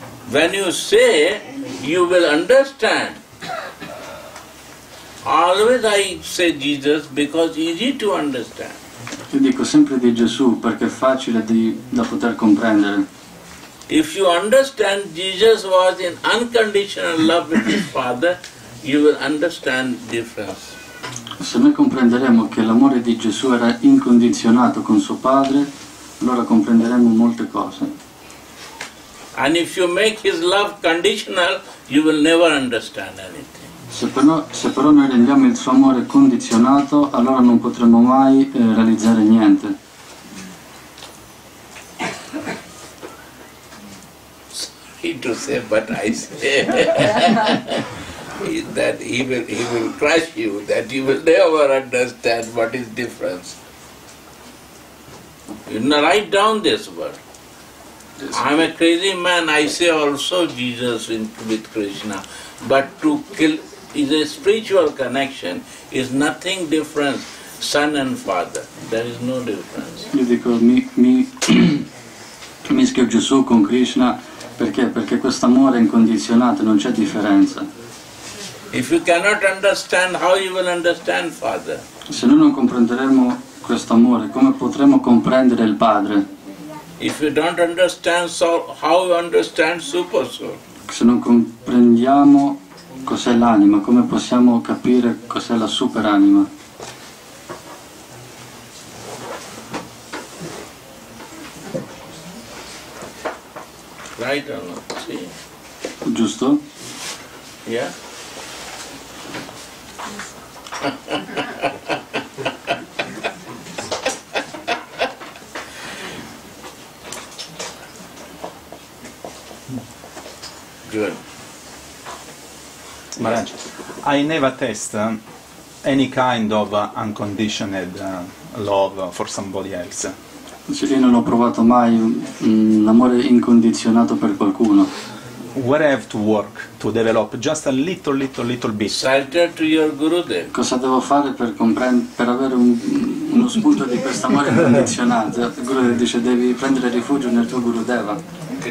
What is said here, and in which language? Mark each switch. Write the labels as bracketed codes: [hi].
[en] When you say, you will understand. Always I say Jesus because easy to understand. [it] Io dico sempre di Gesù perché è facile da poter comprendere. [en] If you understand Jesus was in unconditional love with his Father, you will understand the difference. [it] Se noi comprenderemo che l'amore di Gesù era incondizionato con suo Padre, allora comprenderemo molte cose. [en] And if you make his love conditional, you will never understand anything. [it] Se però noi rendiamo il suo amore condizionato, allora non potremo mai realizzare niente. [en] Sorry to say, but I say that he will crush you, that you will never understand what is difference. You know, write down this word. I'm a crazy man, I say also Jesus with Krishna, but to kill is a spiritual connection, is nothing different, son and father. There is no difference. [it] Io dico, mi mischio Gesù con Krishna, perché? Perché questo amore è incondizionato, non c'è differenza. [en] If you cannot understand, how you will understand father? [it] Se noi non comprenderemo questo amore, come potremo comprendere il padre? [en] If you don't understand, so how you understand super soul? [it] Se non comprendiamo cos'è l'anima? Come possiamo capire cos'è la superanima? [en] Right or not? [it] Sì. Giusto? [en] Yeah. Good. I never test any kind of unconditional love for somebody else. [it] Io non ho provato mai un amore incondizionato per qualcuno. [en] What I have to work to develop just a little bit. Shelter to your Gurudev. [it] Cosa devo fare per avere uno spunto di questo amore incondizionato? Gurudev dice devi prendere rifugio nel tuo Gurudeva.